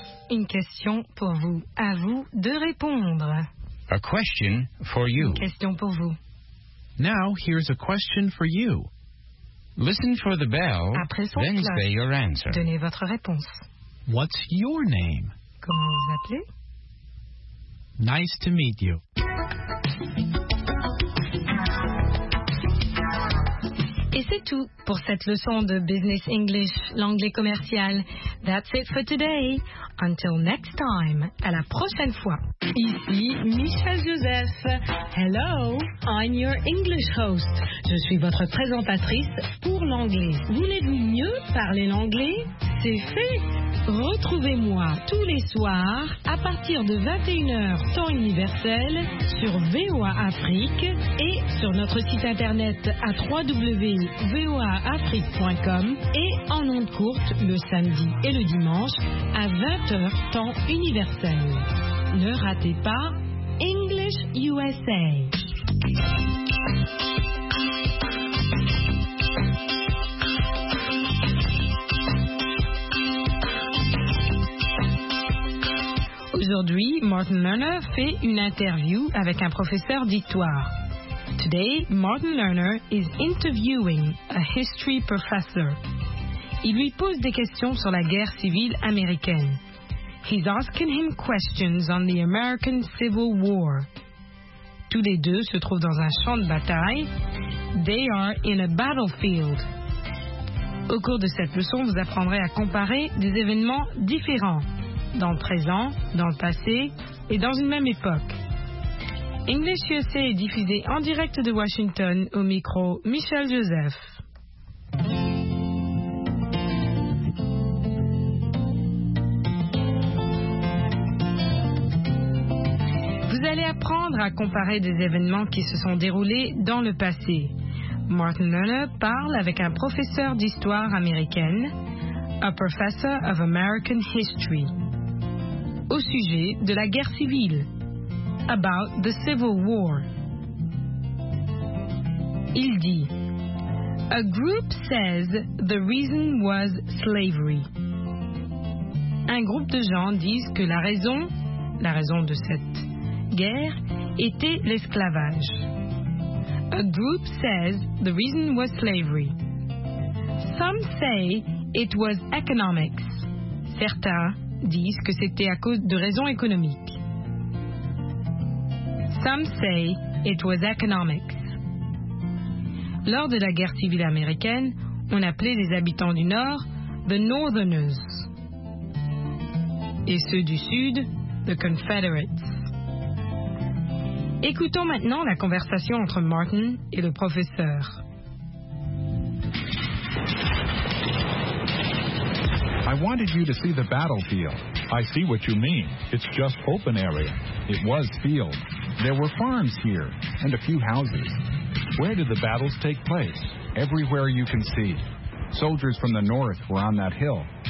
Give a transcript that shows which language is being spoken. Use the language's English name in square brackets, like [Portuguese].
[French] Une question pour vous. À vous de répondre. [English] A question for you. [French] Une question pour vous. [English] Now, here's a question for you. Listen for the bell, [French] après son [English] then [French] cloche, [English] say your answer. [French] Donnez votre réponse. [English] What's your name? [French] Comment vous appelez? [English] Nice to meet you. [French] Et c'est tout pour cette leçon de Business English, l'anglais commercial. [English] That's it for today. Until next time, [French] à la prochaine fois. Ici Michel Joseph. [English] Hello, I'm your English host. [French] Je suis votre présentatrice pour l'anglais. Voulez-vous mieux parler l'anglais? C'est fait. Retrouvez-moi tous les soirs à partir de 21h temps universel sur VOA Afrique et sur notre site internet à www.voaafrique.com et en ondes courtes le samedi et le dimanche à 20h temps universel. Ne ratez pas English USA. Aujourd'hui, Martin Lerner fait une interview avec un professeur d'histoire. [English] Today, Martin Lerner is interviewing a history professor. [French] Il lui pose des questions sur la guerre civile américaine. [English] He's asking him questions on the American Civil War. [French] Tous les deux se trouvent dans un champ de bataille. [English] They are in a battlefield. [French] Au cours de cette leçon, vous apprendrez à comparer des événements différents. Dans le présent, dans le passé et dans une même époque. English USA est diffusé en direct de Washington au micro Michel Joseph. Vous allez apprendre à comparer des événements qui se sont déroulés dans le passé. Martin Lerner parle avec un professeur d'histoire américaine, [English] a professor of American history. [French] Au sujet de la guerre civile. [English] About the Civil War. [French] Il dit, [English] a group says the reason was slavery. [French] Un groupe de gens disent que la raison de cette guerre était l'esclavage. [English] A group says the reason was slavery. Some say it was economics. [French] Certains disent que c'était à cause de raisons économiques. [English] Some say it was economics. [French] Lors de la guerre civile américaine, on appelait les habitants du Nord [English] the Northerners [French] et ceux du Sud [English] the Confederates. [French] Écoutons maintenant la conversation entre Martin et le professeur. [English] I wanted you to see the battlefield. I see what you mean. It's just open area. It was field. There were farms here and a few houses. Where did the battles take place? Everywhere you can see. Soldiers from the north were on that hill.